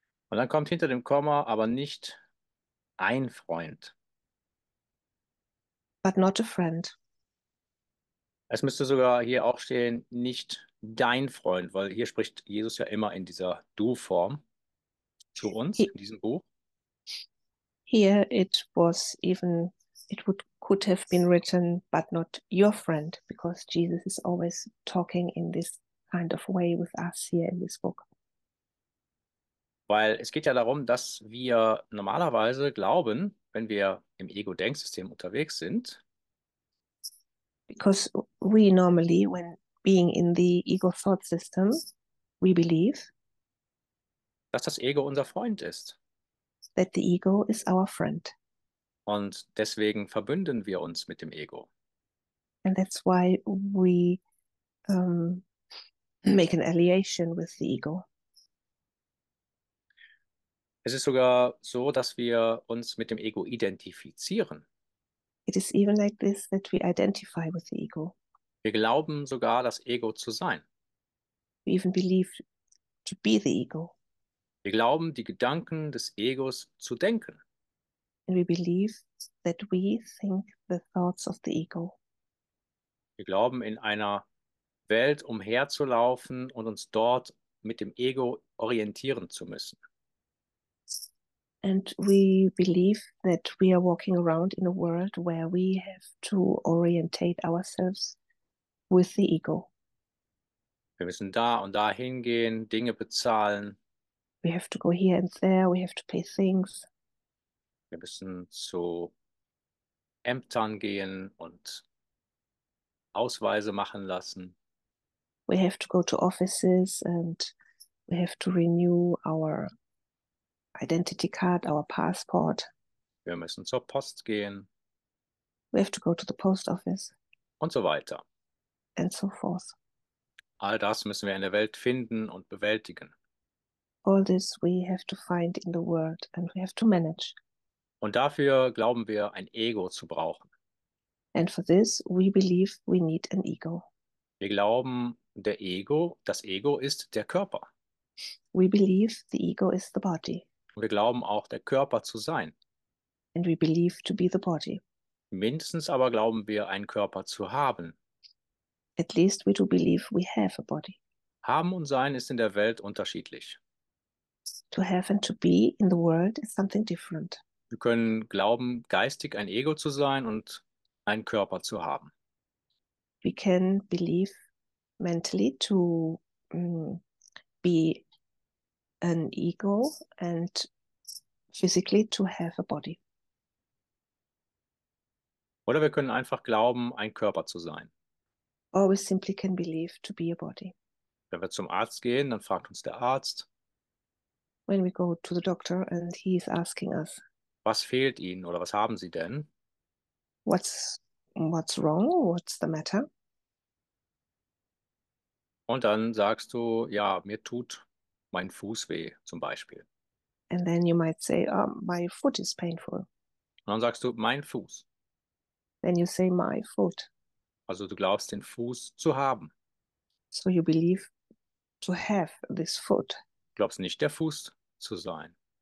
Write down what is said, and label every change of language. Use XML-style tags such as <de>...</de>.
<de>Und dann kommt hinter dem Komma aber nicht ein Freund.</de> <en>But not a friend.</en> <de>Es müsste sogar hier auch stehen, nicht dein Freund, weil hier spricht Jesus ja immer in dieser Du-Form zu uns, in diesem Buch.</de> <en>Here it was even, it would, could have been written, but not your friend, because Jesus is always talking in this kind of way with us here in this book.</en> <de>Weil es geht ja darum, dass wir normalerweise glauben, wenn wir im Ego-Denksystem unterwegs sind.</de> <en>Because we normally, when being in the ego-thought system, we believe,</en> <de>dass das Ego unser Freund ist.</de> <en>That the ego is our friend.</en> <de>Und deswegen verbünden wir uns mit dem Ego.</de> <en>And that's why we make an alliation with the ego.</en> <de>Es ist sogar so, dass wir uns mit dem Ego identifizieren.</de> <en>It is even like this, that we identify with the ego.</en> <de>Wir glauben sogar, das Ego zu sein.</de> <en>We even believe to be the ego.</en> <de>Wir glauben, die Gedanken des Egos zu denken.</de> <en>And we believe that we think the thoughts of the ego.</en> <de>Wir glauben, in einer Welt umherzulaufen und uns dort mit dem Ego orientieren zu müssen.</de> <en>And we believe that we are walking around in a world where we have to orientate ourselves with the ego.</en> <de>Wir müssen da und da hingehen, Dinge bezahlen.</de> <en>We have to go here and there, we have to pay things.</en> <de>Wir müssen zu Ämtern gehen und Ausweise machen lassen.</de> <en>We have to go to offices and we have to renew our identity card, our passport.</en> <de>Wir müssen zur Post gehen.</de> <en>We have to go to the post office.</en> <de>Und so weiter.</de> <en>And so forth.</en> <de>All das müssen wir in der Welt finden und bewältigen.</de> <en>All this we have to find in the world and we have to manage.</en> <de>Und dafür glauben wir, ein Ego zu brauchen.</de> <en>And for this we believe we need an ego.</en> <de>Wir glauben, das Ego ist der Körper.</de> <en>We believe the ego is the body.</en> <de>Und wir glauben auch, der Körper zu sein.</de> <en>And we believe to be the body.</en> <de>Mindestens aber glauben wir, einen Körper zu haben.</de> <en>At least we do believe we have a body.</en> <de>Haben und sein ist in der Welt unterschiedlich.</de> <en>To have and to be in the world is something different.</en> <de>Wir können glauben, geistig ein Ego zu sein und einen Körper zu haben.</de> <en>We can believe mentally to be an ego and physically to have a body.</en> <de>Oder wir können einfach glauben, ein Körper zu sein.</de> <en>Or we simply can believe to be a body.</en> <de>Wenn wir zum Arzt gehen, dann fragt uns der Arzt.</de> <en>When we go to the doctor and he is asking us.</en> <de>Was fehlt Ihnen oder was haben Sie denn?</de> <en>What's wrong? What's the matter?</en> <de>Und dann sagst du, ja, mir tut mein Fuß weh, zum Beispiel.</de> <en>And then you might say, oh, my foot is painful.</en> <de>Und dann sagst du, mein Fuß.</de> <en>Then you say my foot.</en> <de>Also du glaubst, den Fuß zu haben.</de> <en>So you believe to have this foot.</en> <de>Du glaubst nicht, der Fuß zu sein.</de>